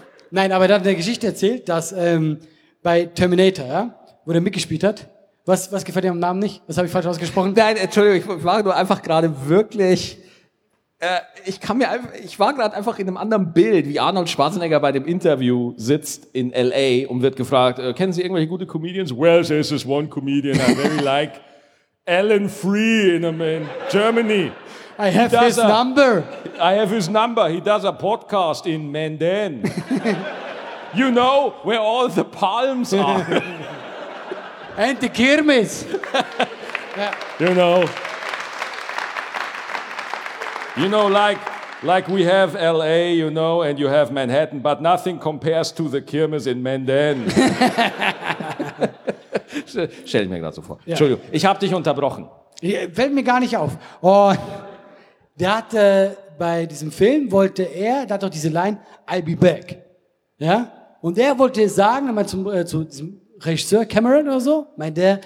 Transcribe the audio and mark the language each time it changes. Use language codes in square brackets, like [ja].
[de] Nein, aber dann hat eine Geschichte erzählt, dass bei Terminator, ja, wo der mitgespielt hat, was gefällt dir am Namen nicht? Was habe ich falsch ausgesprochen? Nein, Entschuldigung, ich war nur einfach gerade wirklich, ich war gerade einfach in einem anderen Bild, wie Arnold Schwarzenegger bei dem Interview sitzt in L.A. und wird gefragt, kennen Sie irgendwelche gute Comedians? [en] Well, there is this one comedian I really like, Alan Freed in Germany. I have his number. I have his number. He does a podcast in Menden. You know where all the palms are. And the Kirmes. You know. You know, like we have L.A., you know, and you have Manhattan, but nothing compares to the Kirmes in Menden. [de] Stell ich mir gerade so vor. Ja. Entschuldigung, ich habe dich unterbrochen. Ja, fällt mir gar nicht auf. Oh. Der hat bei diesem Film wollte er, da hat doch diese Line, [en] I'll be back. [de] Ja? Und er wollte sagen, mal zu diesem Regisseur Cameron oder so, meint der.